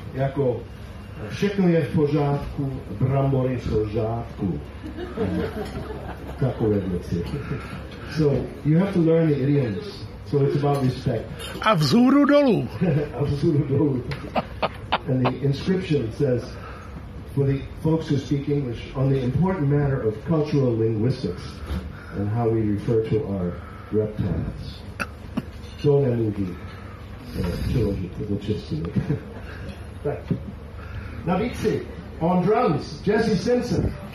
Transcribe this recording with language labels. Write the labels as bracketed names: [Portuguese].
[Czech] Jako všechno je v pořádku, brambory jsou v žádku. Takové věci. [English] So, you have to learn the idioms. So it's about respect. [Czech] A vzhůru dolů. A vzhůru dolů. [English] And the inscription says, for the folks who speak English, on the important matter of cultural linguistics and how we refer to our reptiles. [Czech] To nemůžu přeložit do češtiny. Na bici, [English] on drums, [Czech] Jessy Simpson.